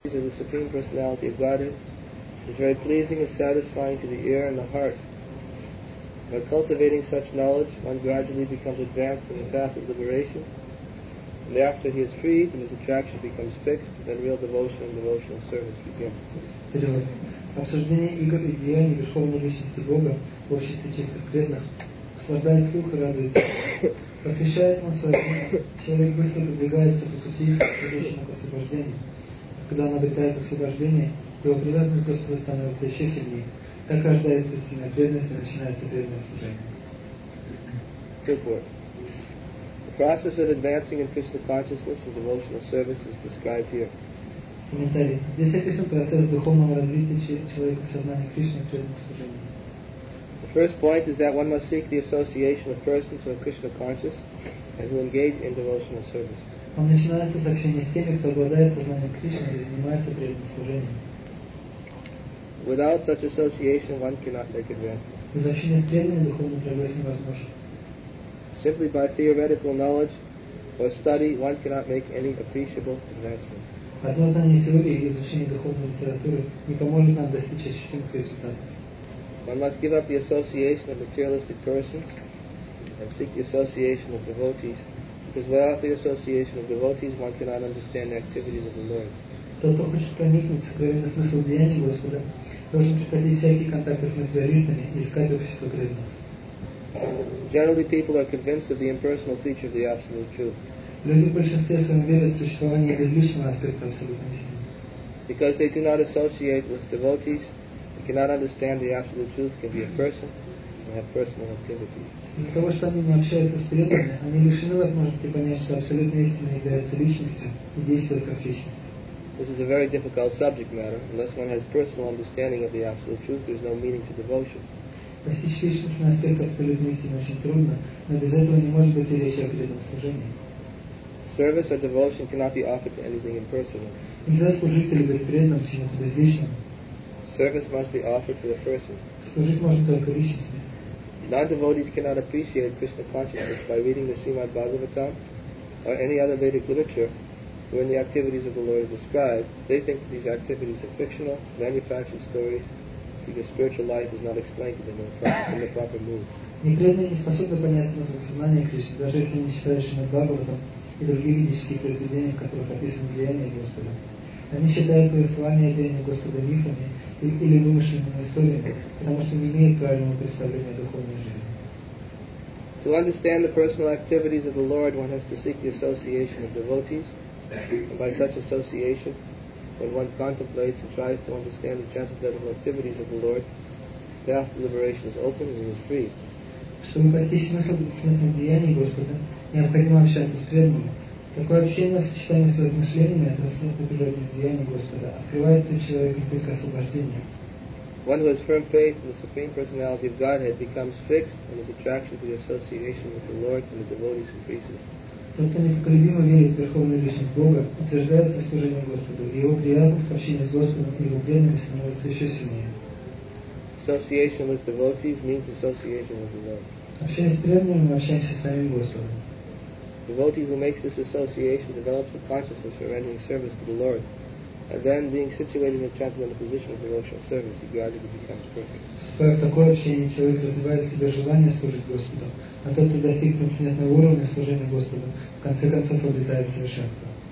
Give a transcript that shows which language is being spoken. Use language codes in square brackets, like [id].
[en] of the Supreme Personality of Godhead is very pleasing and satisfying to the ear and the heart. By cultivating such knowledge, one gradually becomes advanced in the path of liberation, and after he is freed and his attraction becomes fixed, then real devotion and devotional service begin. [ru] Обсуждение игр и деяний Верховной Личности Бога в обществе чистых преданных ослабляет слух и радуется. Посвящает он свою жизнь. Человек быстро продвигается по пути, ведущему к освобождению. Когда он обретает освобождение, его привязанность к Господу становится еще сильнее. Так рождается истинная преданность и начинается преданное служение. [en] The process of advancing in Krishna consciousness and devotional service is described here. [ru] Комментарий. Здесь описан процесс духовного развития человека в сознании Кришны в преданном служении. [en] The first point is that one must seek the association of persons who are Krishna conscious and who engage in devotional service. [ru] Он начинается с общения с теми, кто обладает сознанием Кришны и занимается преданным служением. [en] Without such association, one cannot make advancement. [ru] Без общения с преданными духовный прогресс невозможен. [en] Simply by theoretical knowledge or study, one cannot make any appreciable advancement. [ru] Одно знание теории и изучение духовной литературы не поможет нам достичь ощутимых результатов. [en] One must give up the association of materialistic persons and seek the association of devotees, because without the association of devotees, one cannot understand the activities of the Lord. [ru] Тот, кто хочет проникнуть в сокровенный смысл деяний Господа, должен прекратить всякие контакты с материалистами и искать общество преданных. [en] Generally, people are convinced of the impersonal feature of the Absolute Truth. [ru] Люди в большинстве своем верят в существование безличного аспекта Абсолютной Истины. [en] Because they do not associate with devotees, they cannot understand the Absolute Truth can be a person and have personal activities. [ru] Из-за того, что они не общаются с преданными, они лишены возможности понять, что Абсолютная Истина является личностью и действует как личность. [en] This is a very difficult subject matter. Unless one has personal understanding of the Absolute Truth, there is no meaning to devotion. [ru] Постичь личностный аспект Абсолютной Истины очень трудно, но без этого не может быть и речи о преданном служении. [en] Service or devotion cannot be offered to anything impersonal. [ru] Нельзя служить или быть преданным чему-то безличному. [en] Service must be offered to the person. [ru] Служить можно только личности. [en] Non-devotees cannot appreciate Krishna consciousness by reading the Srimad Bhagavatam or any other Vedic literature when the activities of the Lord are described. They think these activities are fictional, manufactured stories, because spiritual life is not explained to them in the proper mood. [ru] Непреданные не способны понять смысл сознания Кришны, даже если они считают Шримад Бхагаватам и другие ведические произведения, в которых описано деяние Господа. Они считают повествование деяния Господа мифами или вымышленными историями, потому что не имеют правильного представления о духовной жизни. [en] To understand the personal activities of the Lord, one has to seek the association of devotees. And by such association, when one contemplates and tries to understand the transcendental activities of the Lord, the path to liberation is open and he is free. [ru] Чтобы постичь смысл духовных деяний Господа, необходимо общаться с преданными. Такое общение в сочетании с размышлениями о трансцендентной природе деяний Господа открывает для человека путь к освобождению. [en] One who has firm faith in the Supreme Personality of Godhead becomes fixed and his attraction to the association with the Lord and the devotees increases. [ru] Тот, кто непоколебимо верит в Верховную Личность Бога, утверждается в служении Господу, и его приятность в общении с Господом и его преданность становится еще сильнее. [en] Association with devotees means association with the Lord. [ru] Общаясь с преданными, мы общаемся с самим Господом. [en] The devotee who makes this association develops a consciousness for rendering service to the Lord. And then, being situated in a transcendental position of devotional service, he gradually becomes perfect. [ru] Вступая в такое общение, человек развивает в себе желание служить Господу, а тот, кто достиг трансцендентного уровня служения Господу, в конце концов обретает совершенство.